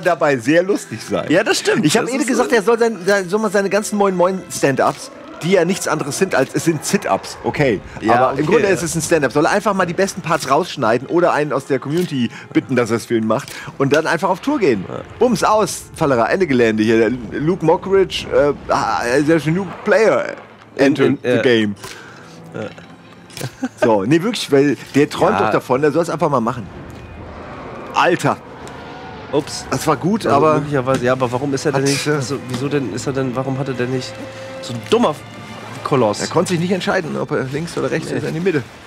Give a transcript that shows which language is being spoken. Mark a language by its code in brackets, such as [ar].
[de] Dabei sehr lustig sein. Ja, das stimmt. Ich habe eben gesagt, er soll seine ganzen Moin-Moin-Stand-Ups, die ja nichts anderes sind als, es sind Sit-Ups, okay. Ja, aber okay, im Grunde ist es ein Stand-Up. Soll er einfach mal die besten Parts rausschneiden oder einen aus der Community bitten, dass er es für ihn macht und dann einfach auf Tour gehen. Ja. Bums, aus, Fallera, Ende Gelände hier. [en] Luke Mockridge, there's a new player entered the game. [de] So, nee, wirklich, weil der träumt doch davon, der soll es einfach mal machen. Alter. Ups. Das war gut, also, aber... Möglicherweise, ja, aber warum ist er denn nicht... Also, wieso denn ist er denn... Warum hat er denn nicht... So ein dummer Koloss. Er konnte sich nicht entscheiden, ob er links oder rechts ist, in die Mitte.